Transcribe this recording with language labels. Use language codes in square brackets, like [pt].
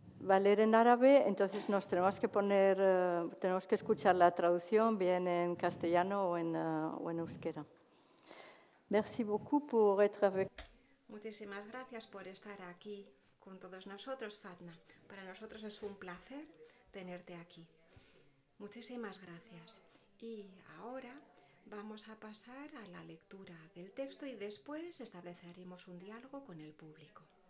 [es] Va a leer en árabe, entonces nos tenemos que poner, tenemos que escuchar la traducción, bien en castellano o en euskera. [fr] Merci beaucoup pour être avec. [es] Muchísimas gracias por estar aquí con todos nosotros, Fatna. Para nosotros es un placer tenerte aquí. Muchísimas gracias. Y ahora vamos a pasar a la lectura del texto y después estableceremos un diálogo con el público.